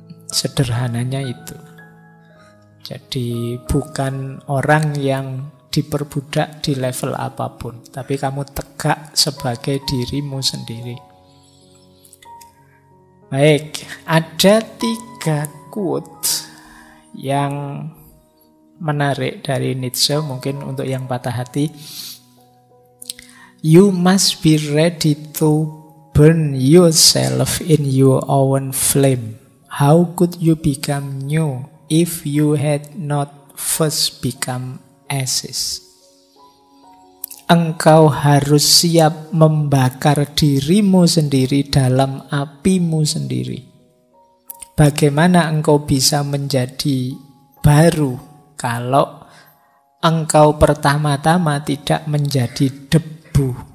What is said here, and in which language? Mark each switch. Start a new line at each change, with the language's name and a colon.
Indonesian: Sederhananya itu. Jadi bukan orang yang diperbudak di level apapun, tapi kamu tegak sebagai dirimu sendiri. Baik, ada tiga quote yang menarik dari Nietzsche, mungkin untuk yang patah hati.
English: You must be ready to burn yourself in your own flame. How could you become new if you had not first become ashes?
Indonesian: Engkau harus siap membakar dirimu sendiri dalam apimu sendiri. Bagaimana engkau bisa menjadi baru kalau engkau pertama-tama tidak menjadi debu?